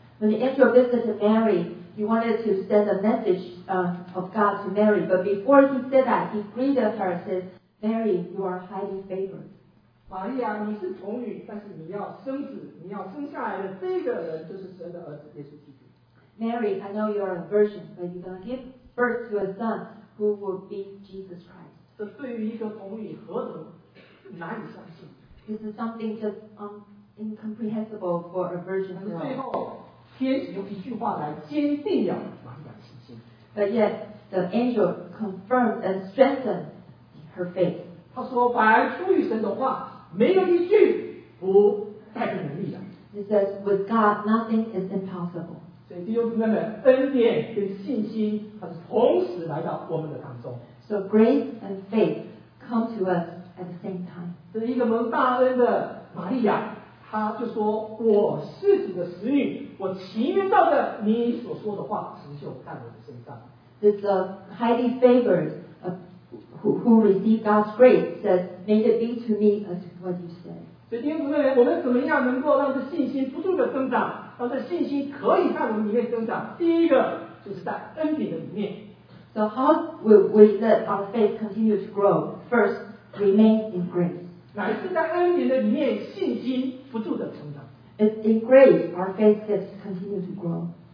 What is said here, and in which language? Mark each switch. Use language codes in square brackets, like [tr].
[en] When the angel visited Mary, he wanted to send a message of God to Mary. But before he said that, he greeted her and said, Mary, you are highly favored. [zh] 玛利亚，你是童女，但是你要生子，你要生下来的这个人就是神的儿子耶稣基督。 [en] Mary, I know you are a virgin, but you're going to give birth to a son who will be Jesus Christ. [zh] 这对于一个童女何等难以相信。 [en] This is something just incomprehensible for a virgin girl. [zh] 最后天使用一句话来坚定了玛利亚的信心。 [en] But yet the angel confirmed and strengthened her faith. [zh] 他说，凡出于神的话，没有一句不带着能力的。 [en] He says, with God, nothing is impossible. [zh] 所以弟兄姊妹们，恩典跟信心，它是同时来到我们的当中。 [en] So grace and faith come to us at the same time. [zh] 这是一个蒙大恩的玛利亚。他就说，我自己的使女，我情愿照着你所说的话成就在我的身上。 [en] This highly favored who received God's grace said, may it be to me as what you say. [zh] 所以弟兄姊妹，我们怎么样能够让这信心不住的增长，让这信心可以在我们里面增长？第一个就是在恩典的里面。 [en] So how will we let our faith continue to grow? First, remain in grace. [zh] 乃是在恩典的里面，信心不住的成长。 [en] It's in grace our faith has continued to grow.